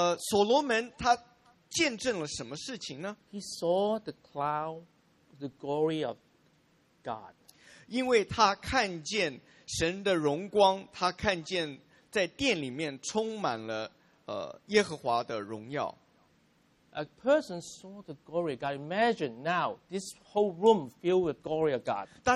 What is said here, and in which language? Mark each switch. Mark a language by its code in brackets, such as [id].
[zh] 所罗门他见证了什么事情呢？ [en] He saw the cloud, the glory of God. [zh] 因为他看见 神的荣光，他看见在殿里面充满了耶和华的荣耀。A [en] person saw the glory of God. Imagine now this whole room filled with glory of God.